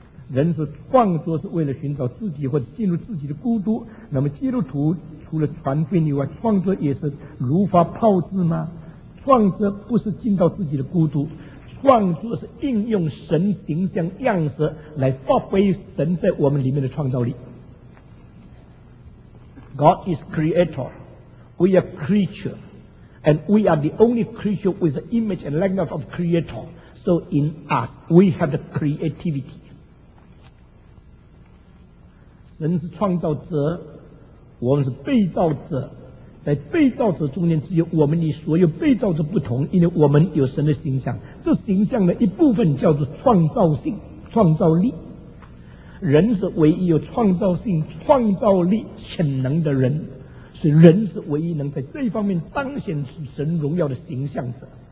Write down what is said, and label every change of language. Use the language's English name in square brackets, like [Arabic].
[Chinese] 人是创作是为了寻找自己或者进入自己的孤独，那么基督徒除了传福音以外，创作也是如发炮制吗？创作不是进到自己的孤独，创作是应用神形象样式来发挥神在我们里面的创造力。 [English] God is creator, we are creature, and we are the only creature with the image and likeness of creator. So in us, we have the creativity. [Chinese] 人是创造者，我们是被造者，在被造者中间只有我们与所有被造者不同，因为我们有神的形象，这形象的一部分叫做创造性、创造力。人是唯一有创造性、创造力、潜能的人，是人是唯一能在这一方面彰显神荣耀的形象者。